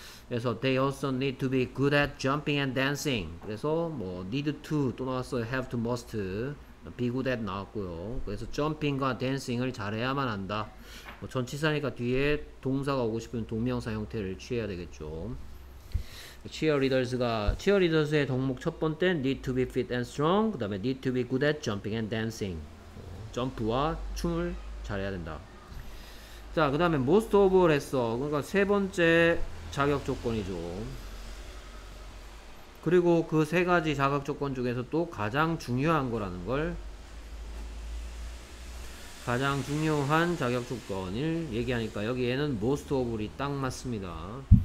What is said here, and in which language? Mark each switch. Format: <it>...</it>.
<ko>그래서</ko> <en>they also need to be good at jumping and dancing. 그래서 뭐 need to 또 나왔어요. have to, must Be good at</en> <ko>나왔고요. 그래서 jumping과 dancing을 잘해야만 한다. 뭐 전치사니까 뒤에 동사가 오고 싶으면 동명사 형태를 취해야 되겠죠.</ko> <en>Cheerleaders가 cheerleaders의</en> <ko>덕목 첫 번째</ko> <en>need to be fit and strong.</en> <ko>그다음에</ko> <en>need to be good at jumping and dancing.</en> <ko>점프와 춤을 잘해야 된다. 자, 그다음에 most of all 했어. 그러니까 세 번째 자격 조건이죠. 그리고 그 세 가지 자격 조건 중에서 또 가장 중요한 거라는 걸 가장 중요한 자격 조건을 얘기하니까 여기에는 most of all이 딱 맞습니다.</ko>